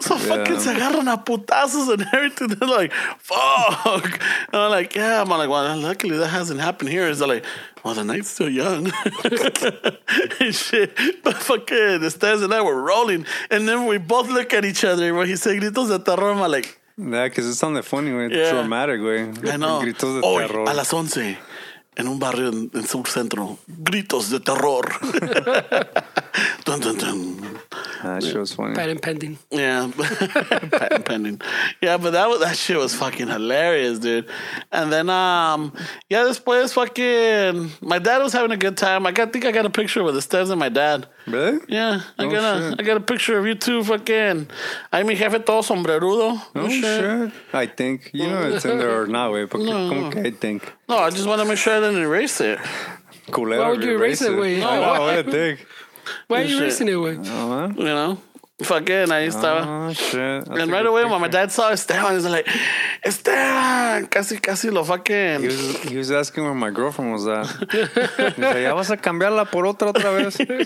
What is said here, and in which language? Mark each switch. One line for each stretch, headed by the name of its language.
English: So yeah. Fucking
Spanish: se agarran a putazos
English: and everything. They're like, fuck. And I'm like, yeah. I'm like, well, luckily that hasn't happened here. It's like, well, the night's still young. Shit. But fucking, the stairs and I were rolling. And then we both look at each other when he said
Spanish: gritos de terror.
English: I'm like, yeah, because it sounded funny, güey. Yeah. Dramatic, güey. I know.
Spanish: Gritos de terror. Hoy, a las 11, en un barrio en Sur Centro, gritos de terror.
English: Dun, dun, dun. That shit was funny. Patent pending. Yeah. Patent pending. Yeah, but that shit was fucking hilarious, dude. And then, yeah, this place fucking, my dad was having a good time. I think I got a picture with the Stevens and my dad. Really? Yeah, I got a picture of you two fucking.
Spanish: Ay, mi jefe todo sombrerudo.
English: Oh, shit. I think. You know it's in there or not, güey.
Spanish: No. ¿Cómo que
English: I think? No, I just want to make sure I didn't erase it.
Spanish: Culero.
English: Why would you erase it, güey? No, why? What a dick. Why are you shit. Erasing it, güey? Uh-huh. You know? Fucking,
Spanish: ahí estaba.
English: Oh, shit. That's and right away, picture. When my dad saw Esteban, he was like, Esteban,
Spanish: casi, casi lo
English: fucking. He was asking where my girlfriend was at.
Spanish: Dice, ya vas a cambiarla por otra vez.